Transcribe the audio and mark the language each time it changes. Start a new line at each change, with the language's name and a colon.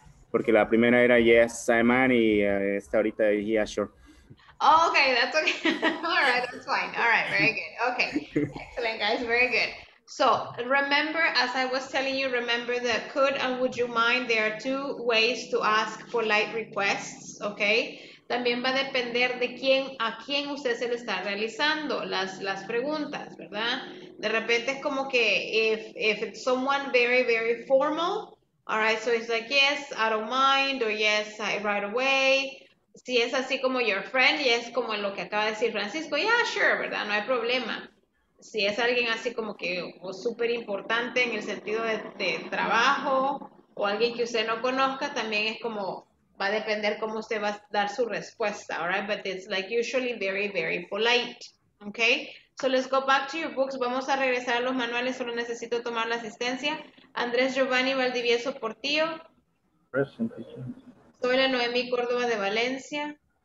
Spanish: Porque la primera era
English: yes, I'm on,
Spanish: y esta ahorita dije
English: yeah, sure. Oh, okay, that's okay. All right, that's fine. All right, very good. Okay, excellent, guys, very good. So remember, as I was telling you, remember the could and would you mind. There are two ways to ask polite requests, okay?
Spanish: También va a depender de quién, a quién usted se le está realizando las preguntas, ¿verdad? De repente es como que
English: if it's someone very, very formal, all right, so it's like, yes, I don't mind, or yes, right away.
Spanish: Si es así como
English: your friend,
Spanish: y es como lo que acaba de decir Francisco,
English: yeah, sure,
Spanish: ¿verdad? No hay problema. Si es alguien así como que súper importante en el sentido de trabajo, o alguien que usted no conozca, también es como, va a depender cómo usted va a dar su respuesta,
English: all right? But it's like usually very, very polite, okay? So let's go back to your books.
Spanish: Vamos a regresar a los manuales. Solo necesito tomar la asistencia. Andrés Giovanni Valdivieso Portillo.
English: Present.
Spanish: Soy la Noemí Córdoba de Valencia.